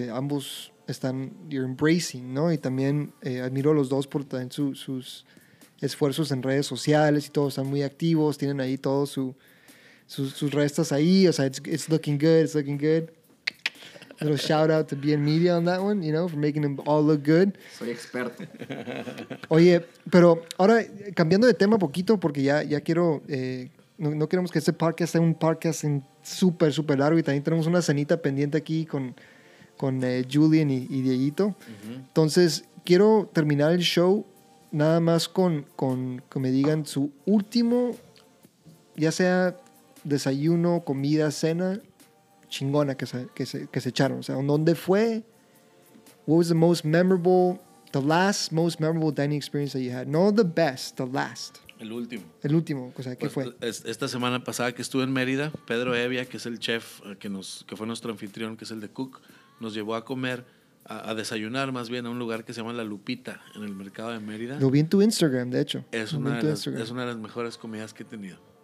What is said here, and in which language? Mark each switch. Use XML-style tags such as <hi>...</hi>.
<es>Que ambos están,</es> <en>you're embracing,</en> <es>¿no? Y también admiro a los dos por también sus esfuerzos en redes sociales y todo, están muy activos, tienen ahí todo sus restas ahí, o sea,</es> <en>it's looking good. A little shout out to BN Media on that one, you know, for making them all look good.</en> <es>Soy experto. Oye, pero ahora, cambiando de tema poquito, porque ya quiero, no queremos que este podcast sea un podcast súper, súper largo, y también tenemos una cenita pendiente aquí con Julian y Dieguito. Uh-huh. Entonces, quiero terminar el show nada más con que me digan su último, ya sea desayuno, comida, cena, chingona que se echaron. O sea, ¿dónde fue?</es> <en>What was the last most memorable dining experience that you had? No the best, the last.</en> <es>El último, o sea, ¿qué fue? Esta semana pasada que estuve en Mérida, Pedro Evia, que es el chef que fue nuestro anfitrión, que es el de Cook, nos llevó a comer, a desayunar más bien, a un lugar que se llama La Lupita, en el mercado de Mérida. Lo vi en tu Instagram, de hecho. Es una de las mejores comidas que he tenido.</es>